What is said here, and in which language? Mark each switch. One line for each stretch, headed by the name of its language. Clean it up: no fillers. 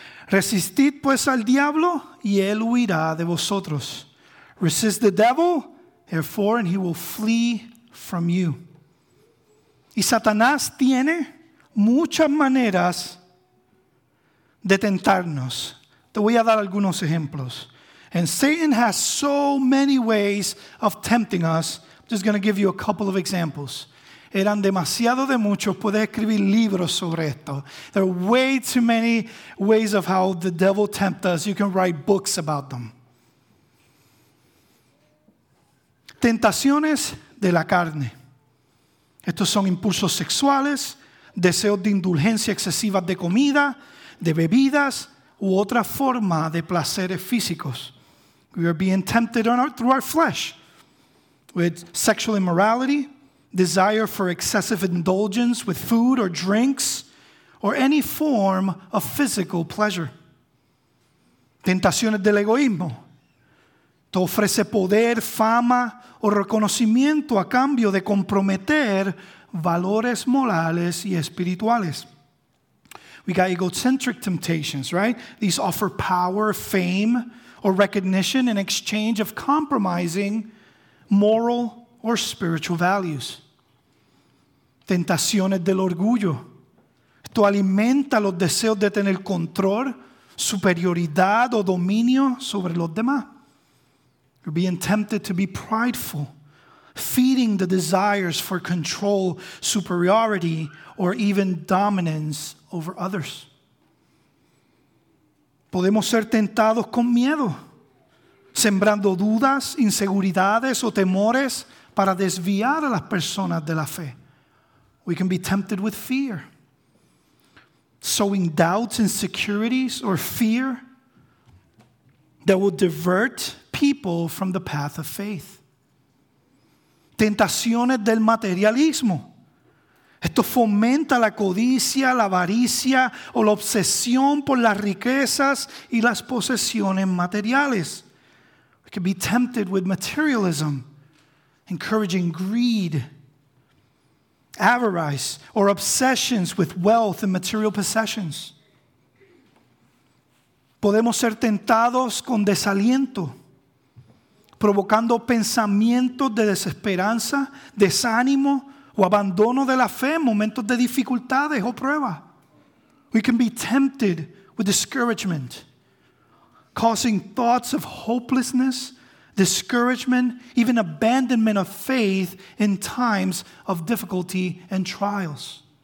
Spanish: Resistid pues al diablo y él huirá de vosotros.
English: Resist the devil, therefore, and he will flee from you.
Spanish: Y Satanás tiene muchas maneras de tentarnos. Te voy a dar algunos ejemplos.
English: And Satan has so many ways of tempting us. I'm just going to give you a couple of examples.
Spanish: Eran demasiado de muchos. Puedes escribir libros sobre esto.
English: There are way too many ways of how the devil tempts us. You can write books about them.
Spanish: Tentaciones de la carne. Estos son impulsos sexuales, deseos de indulgencia excesiva de comida, de bebidas, u otra forma de placeres físicos.
English: We are being tempted through our flesh with sexual immorality, desire for excessive indulgence with food or drinks, or any form of physical pleasure.
Spanish: Tentaciones del egoísmo. Te ofrece poder, fama, o reconocimiento a cambio de comprometer valores morales y espirituales.
English: We got egocentric temptations, right? These offer power, fame, or recognition in exchange of compromising moral or spiritual values.
Spanish: Tentaciones del orgullo. Esto alimenta los deseos de tener control, superioridad o dominio sobre los demás.
English: You're being tempted to be prideful, feeding the desires for control, superiority, or even dominance over others.
Spanish: Podemos ser tentados con miedo, sembrando dudas, inseguridades o temores para desviar a las personas de la fe.
English: We can be tempted with fear, sowing doubts, insecurities, or fear that will divert people from the path of faith.
Spanish: Tentaciones del materialismo. Esto fomenta la codicia, la avaricia o la obsesión por las riquezas y las posesiones materiales.
English: We can be tempted with materialism, encouraging greed, avarice, or obsessions with wealth and material possessions.
Spanish: Podemos ser tentados con desaliento, provocando pensamientos de desesperanza, desánimo, o abandono de la fe en momentos de dificultades o pruebas.
English: We can be tempted with discouragement, causing thoughts of hopelessness, discouragement, even abandonment of faith in times of difficulty and trials.